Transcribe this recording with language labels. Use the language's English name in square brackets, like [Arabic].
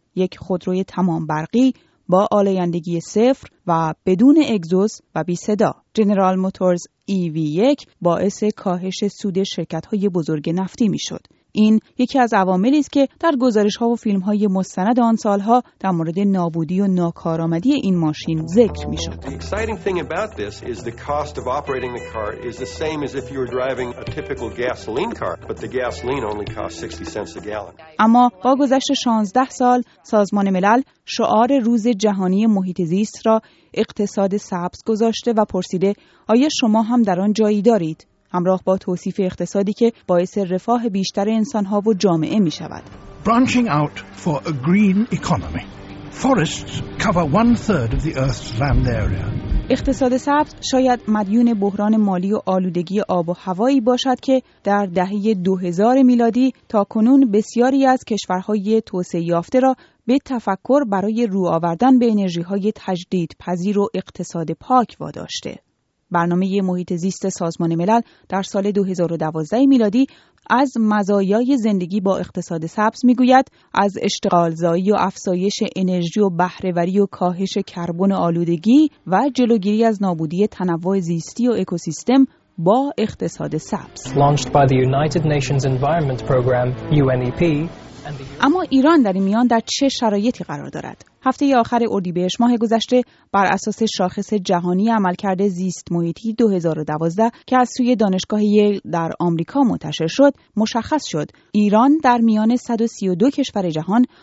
[Persian] یک خودروی تمام برقی با آلایندگی صفر و بدون اگزوز و بی صدا. جنرال موتورز EV1 باعث کاهش سود شرکت‌های بزرگ نفتی می‌شد. این یکی از عواملی است که در گزارش‌ها و فیلم‌های مستند آن سال‌ها در مورد نابودی و ناکارآمدی این ماشین ذکر می‌شد. [English] The exciting thing about this is the cost of operating the car is the same as if you were driving a typical gasoline car, but the gasoline only costs 60 cents a gallon. [Persian] اما با گذشت 16 سال، سازمان ملل شعار روز جهانی محیط زیست را اقتصاد سبز گذاشته و پرسیده آیا شما هم در آن جایی دارید؟ همراه با توصیف اقتصادی که باعث رفاه بیشتر انسان‌ها و جامعه می‌شود. [English] Branching out for a green economy. Forests cover 1/3 of the earth's land area. [Persian] اقتصاد سبز شاید مدیون بحران مالی و آلودگی آب و هوایی باشد که در دهه 2000 میلادی تا کنون بسیاری از کشورهای توسعه یافته را به تفکر برای رو آوردن به انرژی‌های تجدیدپذیر و اقتصاد پاک واداشته. برنامه محیط زیست سازمان ملل در سال 2012 میلادی از مزایای زندگی با اقتصاد سبز میگوید، از اشتغال زایی و افزایش انرژی و بهره‌وری و کاهش کربن آلودگی و جلوگیری از نابودی تنوع زیستی و اکوسیستم با اقتصاد سبز. [English] Launched by the United Nations Environment Program, UNEP. [Persian] اما ایران در این میان در چه شرایطی قرار دارد؟ هفته آخر اردیبهشت ماه گذشته بر اساس شاخص جهانی عملکرد زیست محیطی 2012 که از سوی دانشگاه ییل در آمریکا منتشر شد، مشخص شد ایران در میان 132 کشور جهان